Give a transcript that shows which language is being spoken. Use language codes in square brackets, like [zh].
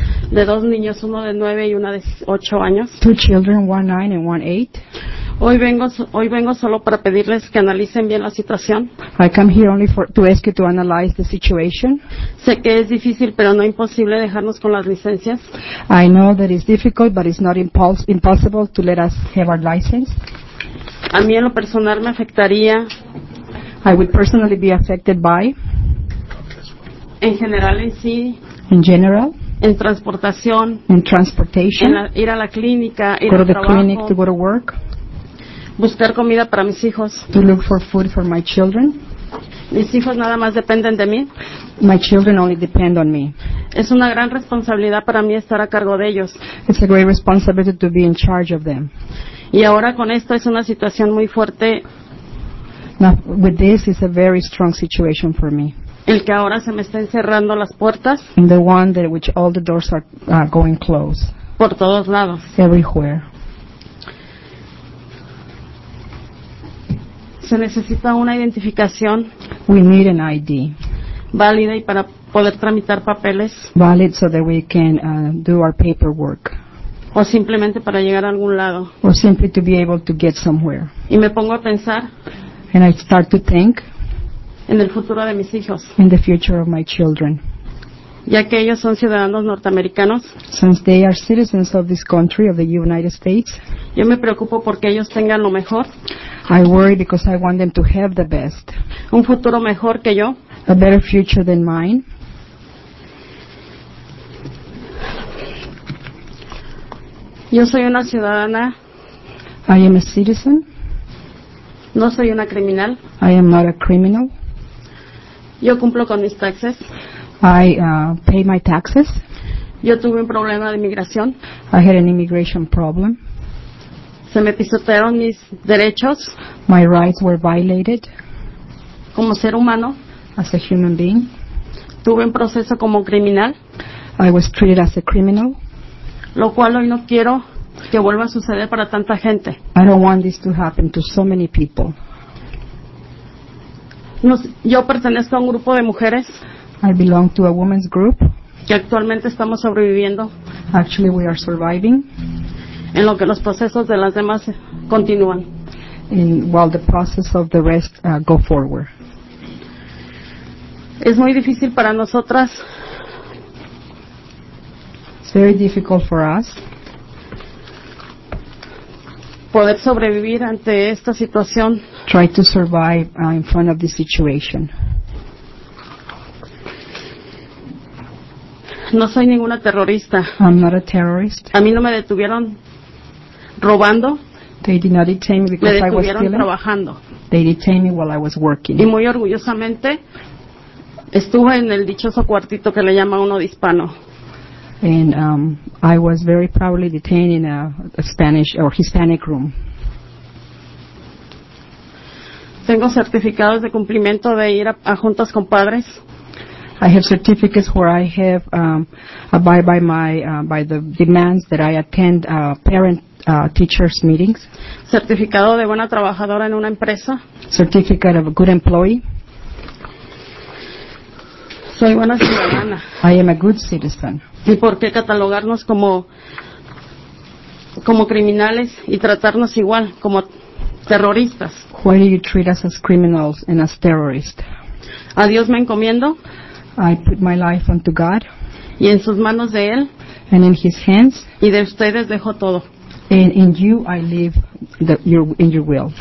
[es] De dos niños, uno de 9 y una de 8 años. [en] Two children, one 9 and one 8. [es] Hoy vengo solo para pedirles que analicen bien la situación. [en] I come here only to ask you to analyze the situation. [es] Sé que es difícil, pero no imposible dejarnos con las licencias. [en] I know that it's difficult, but it's not impossible to let us have our license. [es] A mí en lo personal me afectaría. [en] I would personally be affected by. [es] En general en sí. [en] In general. [es] En transportación. [en] In transportation. [es] Ir a la clínica, ir al trabajo. [en] Go to the clinic, to go to work. [es] Buscar comida para mis hijos. [en] To look for food for my children. [es] Mis hijos nada más dependen de mí. [en] My children only depend on me. [es] Es una gran responsabilidad para mí estar a cargo de ellos. [en] It's a great responsibility to be in charge of them. [es] Y ahora con esto es una situación muy fuerte. [en] Now, with this is a very strong situation for me. [es] El que ahora se me estén cerrando las puertas. [en] And the one that which all the doors are going closed. [es] Por todos lados. [en] Everywhere. [es] Se necesita una identificación. [en] We need an ID. [es] Válida y para poder tramitar papeles. [en] Valid so that we can do our paperwork. [es] O simplemente para llegar a algún lado. [en] Or simply to be able to get somewhere. [es] Y me pongo a pensar. [en] And I start to think. [es] En el futuro de mis hijos. [en] In the future of my children. [es] Ya que ellos son ciudadanos norteamericanos. [en] Since they are citizens of this country, of the United States. [es] Yo me preocupo porque ellos tengan lo mejor. [en] I worry because I want them to have the best. [es] Un futuro mejor que yo. [en] A better future than mine. [es] Yo soy una ciudadana. [en] I am a citizen. [es] No soy una criminal. [en] I am not a criminal. [es] Yo cumplo con mis taxes. [en] I pay my taxes. [es] Yo tuve un problema de inmigración. [en] I had an immigration problem. [es] Se me pisotearon mis derechos. [en] My rights were violated. [es] Como ser humano. [en] As a human being. [es] Tuve un proceso como criminal. [en] I was treated as a criminal. [es] Lo cual hoy no quiero que vuelva a suceder para tanta gente. [en] I don't want this to happen to so many people. [es] Yo pertenezco a un grupo de mujeres. [en] I belong to a women's group. [es] Que actualmente estamos sobreviviendo. [en] Actually, we are surviving. [es] En lo que los procesos de las demás continúan. [en] In, while the process of the rest go forward. [es] Es muy difícil para nosotras. [en] It's very difficult for us. [es] Poder sobrevivir ante esta situación. [en] Try to survive in front of this situation. [es] No soy ninguna terrorista. [en] I'm not a terrorist. [es] A mí no me detuvieron robando. [en] They did not detain me because I was stealing. [es] Trabajando. [en] They detained me while I was working. [es] Y muy orgullosamente estuve en el dichoso cuartito que le llama uno de hispano. [en] And I was very proudly detained in a Spanish or Hispanic room. [es] Tengo certificados de cumplimiento de ir a juntas con padres. [en] I have certificates where I have abide by my by the demands that I attend parent teachers meetings. [es] Certificado de buena trabajadora en una empresa. [en] Certificate of a good employee. [es] Soy buena ciudadana. [en] I am a good citizen. [es] ¿Y por qué catalogarnos como criminales y tratarnos igual como terroristas? [en] Why do you treat us as criminals and as terrorists? [es] A Dios me encomiendo. [en] I put my life unto God. [es] Y en sus manos de él. [en] And in his hands. [es] Y de ustedes dejo todo. [en] And in you I leave in your will.